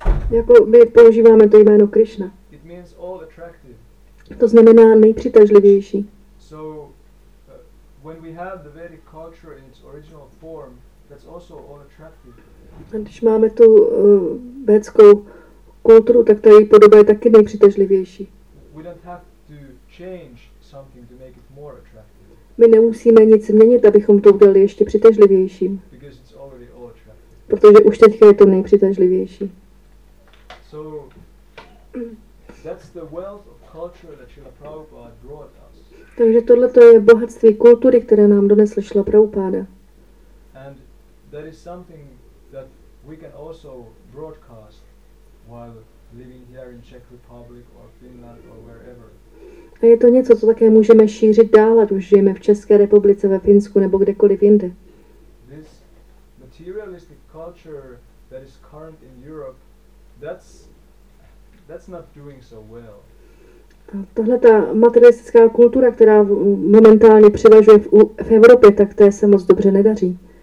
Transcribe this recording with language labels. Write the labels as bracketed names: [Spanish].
[Czech] Jako my používáme to jméno Krishna. [English] It means all attractive. [Czech] To znamená nejpřitažlivější. [English] So, when we have the Vedic culture in its original form, that's also all attractive. [Czech] A když máme tu védskou kulturu, tak ta její podoba je taky nejpřitažlivější. [English] We don't have to change something to make it more attractive. [Czech] My nemusíme nic změnit, abychom to udělali ještě přitažlivějším. [English] Because it's already all attractive. [Czech] Protože už teďka je to nejpřitažlivější. [English] So, that's the wealth of culture that Srila Prabhupada brought us. [Czech] Takže tohle to je bohatství kultury, které nám donesl Srila Prabhupada. [English] And that is something that we can also broadcast while living here in Czech Republic or Finland or wherever. [Czech] A je to něco, co také můžeme šířit dál, ať už žijeme v České republice, ve Finsku nebo kdekoliv jinde. [English] This materialistic culture that is current in Europe, that's not doing so well. [Czech] Tahle ta materialistická kultura, která momentálně převažuje v Evropě, tak té se moc dobře nedaří.